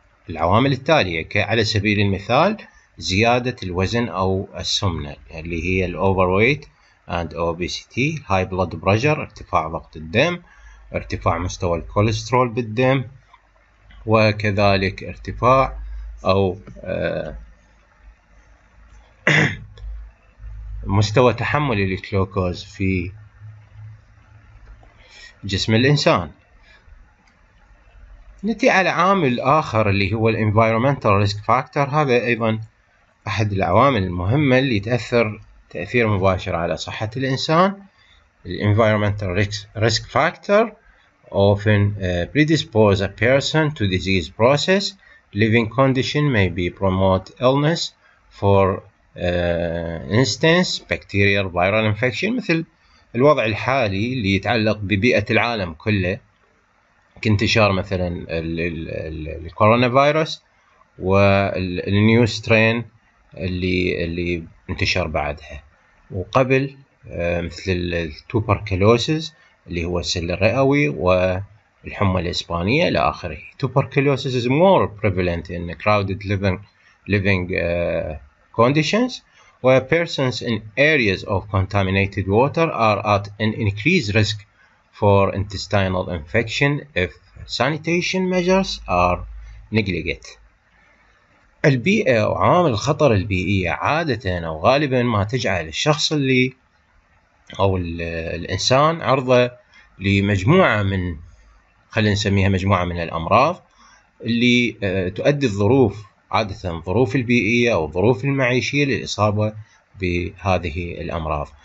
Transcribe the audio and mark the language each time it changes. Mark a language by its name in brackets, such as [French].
[Arabic] العوامل التالية، على سبيل المثال زيادة الوزن أو السمنة اللي هي الأوفرويت [English] and obesity، high blood pressure [Arabic] ارتفاع ضغط الدم، ارتفاع مستوى الكوليسترول بالدم، وكذلك ارتفاع أو مستوى تحمل الجلوكوز في جسم الإنسان. نتي على عامل آخر اللي هو [English] environmental risk factor، [Arabic] هذا أيضا أحد العوامل المهمة اللي تأثر تأثير مباشر على صحة الإنسان. [English] environmental risk factor often predispose a person to disease process. Living condition may be promote illness. For instance, bacterial viral infection، [Arabic] مثل الوضع الحالي اللي يتعلق ببيئة العالم كله، كانتشار مثلا الكورونا فيروس والنيو سترين اللي انتشر بعدها، وقبل مثل التوبركلوسيس اللي هو السل الرئوي والحمى الإسبانية إلى آخره. [English] Tuberculosis is more prevalent in crowded living conditions where persons in areas of contaminated water are at an increased risk for intestinal infection if sanitation measures are neglected. [Arabic] البيئة وعوامل الخطر البيئية عادة أو غالبا ما تجعل الشخص اللي أو الإنسان عرضة لمجموعة من، خلينا نسميها مجموعة من الأمراض اللي تؤدي الظروف، عادة ظروف البيئية أو ظروف المعيشية للإصابة بهذه الأمراض.